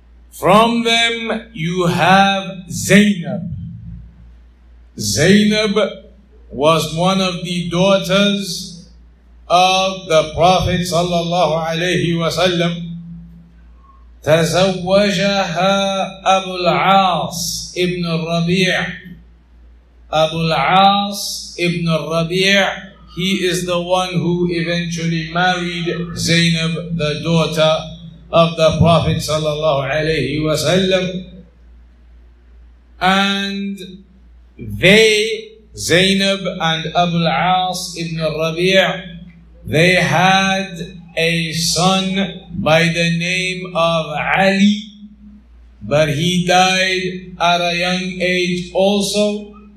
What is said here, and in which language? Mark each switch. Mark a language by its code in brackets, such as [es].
[en] From them, you have Zainab. Zainab was one of the daughters of the Prophet sallallahu alaihi wasallam. [ar] تزوجها أبو العاص ابن الربيع. [en] أبو العاص ابن الربيع, he is the one who eventually married Zainab, the daughter of the Prophet sallallahu alaihi wasallam. And they, Zainab and Abu العاص ابن الربيع, they had a son by the name of Ali, but he died at a young age also.